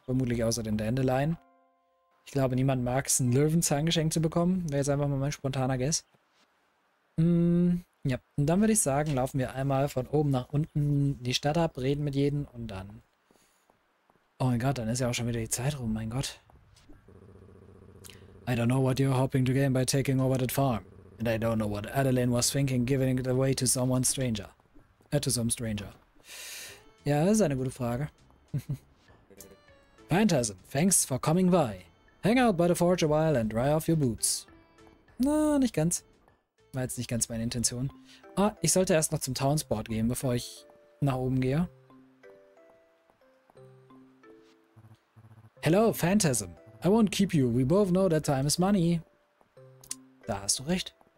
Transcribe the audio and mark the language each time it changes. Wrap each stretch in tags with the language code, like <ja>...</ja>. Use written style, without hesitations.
<de>Vermutlich außer den Dandelion. Ich glaube, niemand mag es, einen Löwenzahn geschenkt zu bekommen. Wäre jetzt einfach mal mein spontaner Guess. Ja, und dann würde ich sagen, laufen wir einmal von oben nach unten die Stadt ab, reden mit jedem und dann... Oh mein Gott, dann ist ja auch schon wieder die Zeit rum, mein Gott.</de> <en>I don't know what you're hoping to gain by taking over that farm. And I don't know what Adeline was thinking giving it away to someone stranger. To some stranger.</en> <de>Ja, das ist eine gute Frage.</de> <en>Phantasm, thanks for coming by. Hang out by the forge a while and dry off your boots.</en> <de>Na, nicht ganz. War jetzt nicht ganz meine Intention. Ah, ich sollte erst noch zum Townsport gehen, bevor ich nach oben gehe.</de> <en>Hello, Phantasm. I won't keep you. We both know that time is money.</en> <de>Da hast du recht.</de>